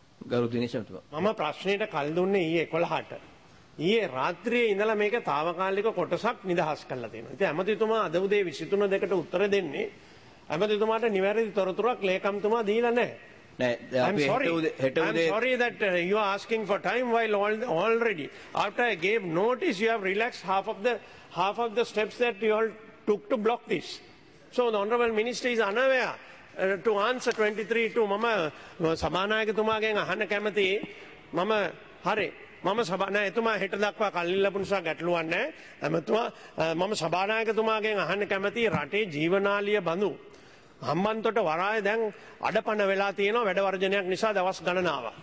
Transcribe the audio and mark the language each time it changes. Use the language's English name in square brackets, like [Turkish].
[Sinhala] ගරු දිනේෂ් ඇමතුමා, මම ප්‍රශ්නෙට කල් දුන්නේ ඊයේ 11ට. ඊයේ රාත්‍රියේ ඉඳලා මේක තාවකාලික කොටසක් නිදහස් කරලා තියෙනවා. ඉතින් ඇමතිතුමා අද උදේ 23-2 උත්තර දෙන්නේ ඇමතිතුමාට නිවැරදි තොරතුරක් ලේකම්තුමා දීලා නැහැ. [English] I'm sorry that you are asking for time while already after I gave notice you have relaxed half of the steps that you all took to block this. So the honorable minister is unaware to answer 23 to [Sinhala] mama සභානායකතුමාගෙන් අහන්න කැමති මම හරි මම සභානායක එතුමා හෙට දක්වා කල්ලිලපු නිසා ගැටලුවක් නැහැ. ඇමතුමා මම සභානායකතුමාගෙන් අහන්න කැමති රටේ ජීවනාලිය බඳු හම්බන්තොට වරාය දැන් අඩපණ වෙලා තියෙනවා වැඩ වර්ජනයක් නිසා දවස් ගණනාවක්.